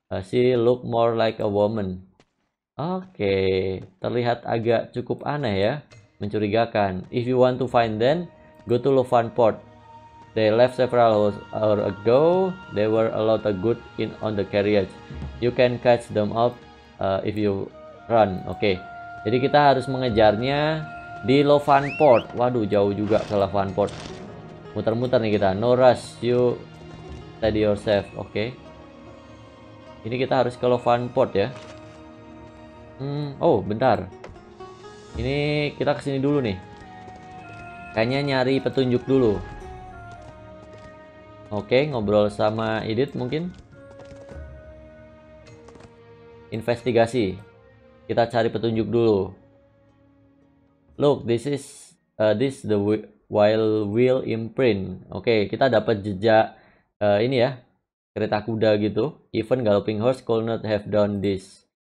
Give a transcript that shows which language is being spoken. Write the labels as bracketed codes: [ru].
[en] She looked more like a woman. Okay, [id] terlihat agak cukup aneh ya, mencurigakan. [en] If you want to find them, go to Lufanport. They left several hours ago. There were a lot of good in on the carriage. You can catch them up if you run. [id] Okay. Jadi kita harus mengejarnya di Lovanport. Waduh, jauh juga ke Lovanport. Muter-muter nih kita. [en] No rush, you steady yourself. Oke. Okay. [id] Ini kita harus ke Lovanport ya. Oh, bentar. Ini kita kesini dulu nih. Kayaknya nyari petunjuk dulu. Oke, okay, ngobrol sama Edith mungkin. Investigasi. Kita cari petunjuk dulu. [en] Look, this is this the wild wheel imprint. [id] Oke, kita dapat jejak ini ya, kereta kuda gitu. [en] Even galloping horse could not have done this.